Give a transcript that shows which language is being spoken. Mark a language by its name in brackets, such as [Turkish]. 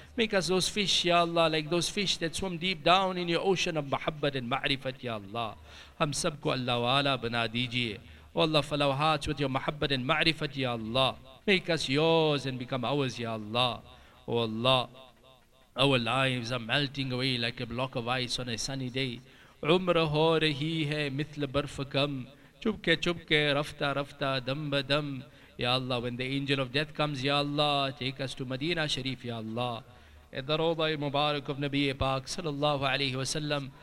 [English] Make us those fish, Ya Allah, like those fish that swim deep down in Your ocean of muhabbat and ma'rifat, Ya Allah. [Urdu] Hum sab ko Allah wala bana dijiye. [English] Oh Allah, fill our hearts with Your muhabbat and ma'rifat, Ya Allah. Make us Yours and become ours, Ya Allah. Oh Allah. Our lives are melting away like a block of ice on a sunny day. [Urdu] عمر ہو رہی ہے مثل برف کم چپکے چپکے رفتہ رفتہ دم بدم. [English] Ya Allah, when the angel of death comes, Ya Allah, take us to Medina Sharif, Ya Allah. At the روضہ المبارک of نبی پاک صلی اللہ علیہ وسلم.